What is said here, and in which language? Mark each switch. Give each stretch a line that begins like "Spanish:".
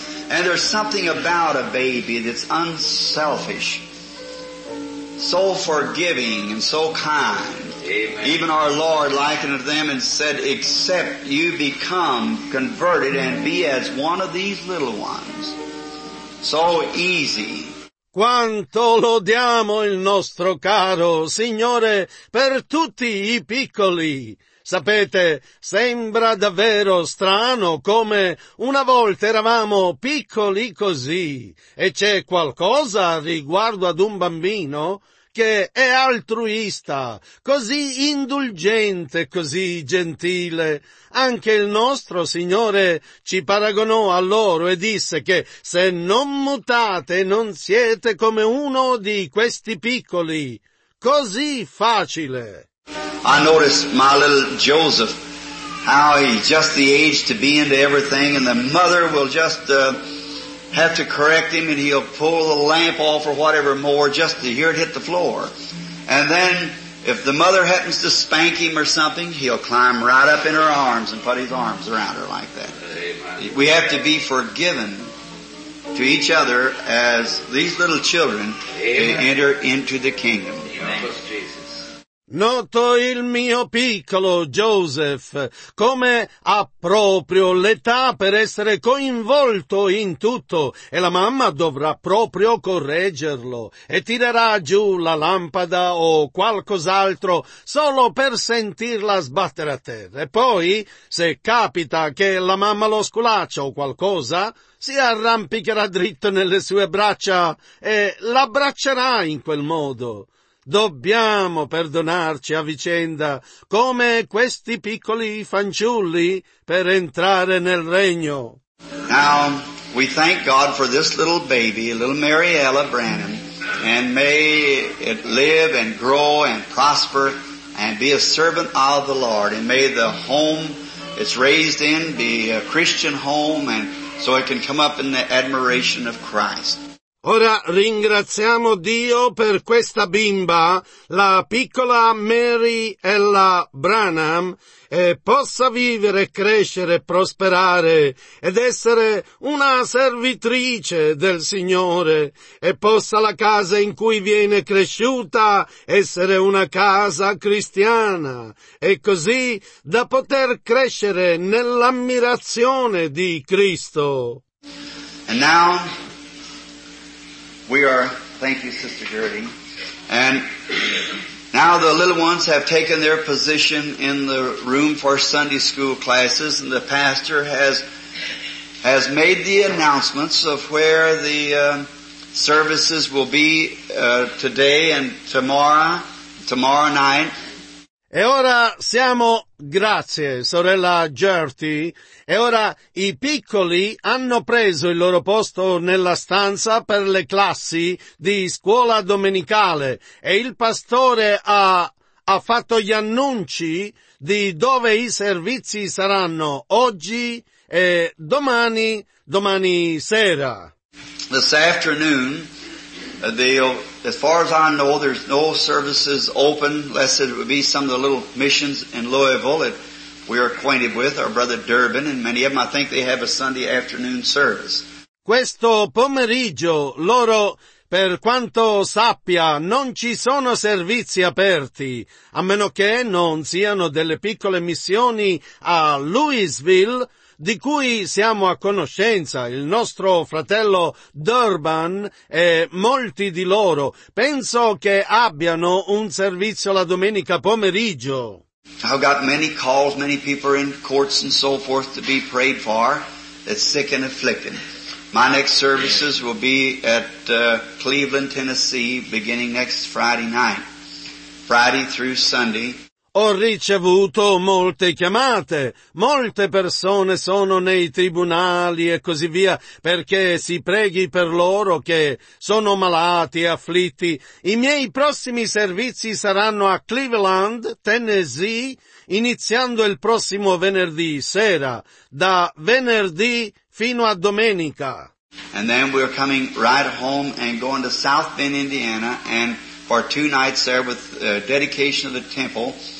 English: And there's something about a baby that's unselfish, so forgiving and so kind. Amen. Even our Lord likened to them and said, except you become converted and be as one of these little ones. So easy.
Italian: Quanto lodiamo il nostro caro Signore per tutti i piccoli. Sapete, sembra davvero strano come una volta eravamo piccoli così, e c'è qualcosa riguardo ad un bambino che è altruista, così indulgente, così gentile. Anche il nostro Signore ci paragonò a loro e disse che se non mutate non siete come uno di questi piccoli, così facile.
English: I noticed my little Joseph, how he's just the age to be into everything, and the mother will just have to correct him, and he'll pull the lamp off or whatever more just to hear it hit the floor. And then if the mother happens to spank him or something, he'll climb right up in her arms and put his arms around her like that. Amen. We have to be forgiven to each other as these little children enter into the kingdom. Amen.
Italian: Noto il mio piccolo Joseph come ha proprio l'età per essere coinvolto in tutto, e la mamma dovrà proprio correggerlo e tirerà giù la lampada o qualcos'altro solo per sentirla sbattere a terra. E poi, se capita che la mamma lo sculaccia o qualcosa, si arrampicherà dritto nelle sue braccia e l'abbraccerà in quel modo. Dobbiamo perdonarci a vicenda, come questi piccoli fanciulli, per entrare nel regno.
English: Now, we thank God for this little baby, little Mariella Branham, and may it live and grow and prosper and be a servant of the Lord. And may the home it's raised in be a Christian home, and so it can come up in the admiration of Christ.
Italian: Ora ringraziamo Dio per questa bimba, la piccola Mary Ella Branham, e possa vivere, crescere, prosperare ed essere una servitrice del Signore, e possa la casa in cui viene cresciuta essere una casa cristiana, e così da poter crescere nell'ammirazione di Cristo.
English: And now... thank you, Sister Gertie. And now the little ones have taken their position in the room for Sunday school classes, and the pastor has made the announcements of where the services will be today and tomorrow night.
Italian: E ora siamo, grazie, sorella Gertie, e ora i piccoli hanno preso il loro posto nella stanza per le classi di scuola domenicale e il pastore ha fatto gli annunci di dove i servizi saranno oggi e domani sera. This afternoon, as far as I know, there's no services open, unless it would be some of the little missions in Louisville that we are acquainted with, our brother Durbin, and many of them, I think they have a Sunday afternoon service. Questo pomeriggio, loro, per quanto sappia, non ci sono servizi aperti, a meno che non siano delle piccole missioni a Louisville, di cui siamo a conoscenza, il nostro fratello Durban e molti di loro. Penso che abbiano un servizio la domenica pomeriggio.
English: I've got many calls, many people in courts and so forth to be prayed for, that's sick and afflicted. My next services will be at Cleveland, Tennessee, beginning next Friday night, Friday through Sunday.
Italian: Ho ricevuto molte chiamate, molte persone sono nei tribunali e così via, perché si preghi per loro che sono malati e afflitti. I miei prossimi servizi saranno a Cleveland, Tennessee, iniziando il prossimo venerdì sera, da venerdì fino a domenica.
English: And then we're coming right home and going to South Bend, Indiana, and for two nights there with dedication of the temple.